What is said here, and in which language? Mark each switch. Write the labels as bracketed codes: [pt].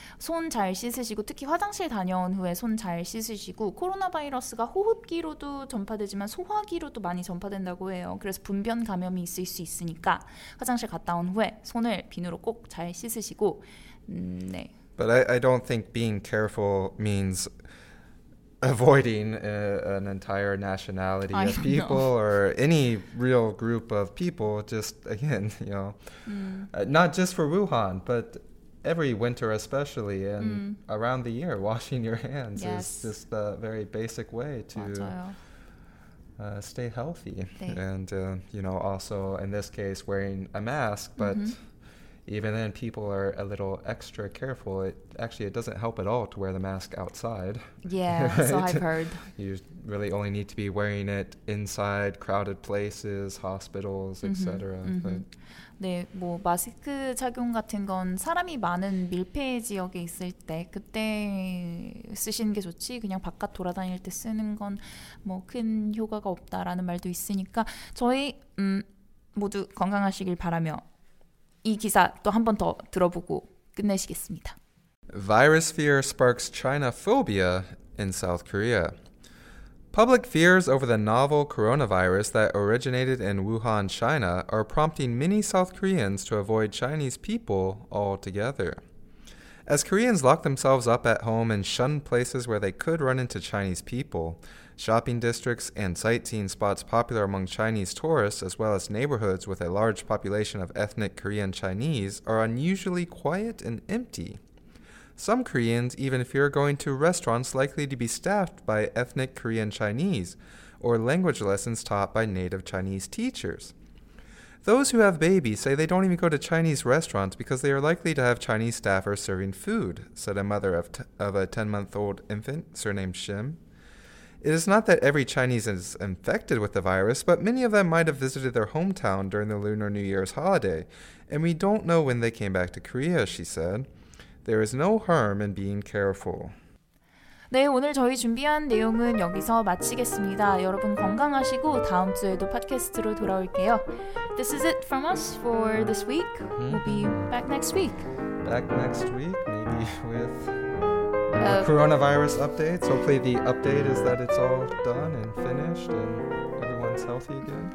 [ko] 손 잘 씻으시고, 특히 화장실 다녀온 후에 손 잘 씻으시고, 코로나 바이러스가 호흡기로도 전파되지만 소화기로도 많이 전파된다고 해요. 그래서 분변 감염이 있을 수 있으니까 화장실 갔다 온 후에 손을 비누로 꼭 잘 씻으시고, 네. [en] But I don't think being careful means avoiding an entire nationality of people know. Or any real group of people. Just again, you know, not just for Wuhan, but every winter especially and around the year, washing your hands is just a very basic way to stay healthy. [ko] 네. [en] And, you know, also in this case, wearing a mask, but... Mm-hmm. Even then, people are a little extra careful. It doesn't help at all to wear the mask outside. Yeah, right? So I've heard. You really only need to be wearing it inside crowded places, hospitals, etc. [ko] 네, 뭐 마스크 착용 같은 건 사람이 많은 밀폐 지역에 있을 때 그때 쓰시는 게 좋지 그냥 바깥 돌아다닐 때 쓰는 건 뭐 큰 효과가 없다라는 말도 있으니까 저희 모두 건강하시길 바라며 이 기사 또 한 번 더 들어보고 끝내시겠습니다. [en] Virus fear sparks China phobia in South Korea. Public fears over the novel coronavirus that originated in Wuhan, China are prompting many South Koreans to avoid Chinese people altogether. As Koreans lock themselves up at home and shun places where they could run into Chinese people, shopping districts and sightseeing spots popular among Chinese tourists, as well as neighborhoods with a large population of ethnic Korean Chinese, are unusually quiet and empty. Some Koreans even fear going to restaurants likely to be staffed by ethnic Korean Chinese, or language lessons taught by native Chinese teachers. Those who have babies say they don't even go to Chinese restaurants because they are likely to have Chinese staffers serving food, said a mother of a 10-month-old infant, surnamed Shim. It is not that every Chinese is infected with the virus, but many of them might have visited their hometown during the Lunar New Year's holiday, and we don't know when they came back to Korea, she said. There is no harm in being careful. [ko] 네, 오늘 저희 준비한 내용은 여기서 마치겠습니다. 여러분 건강하시고 다음 주에도 팟캐스트로 돌아올게요. [en] This is it from us for this week. We'll be back next week. Back next week, maybe with more coronavirus updates. Hopefully the update is that it's all done and finished and everyone's healthy again.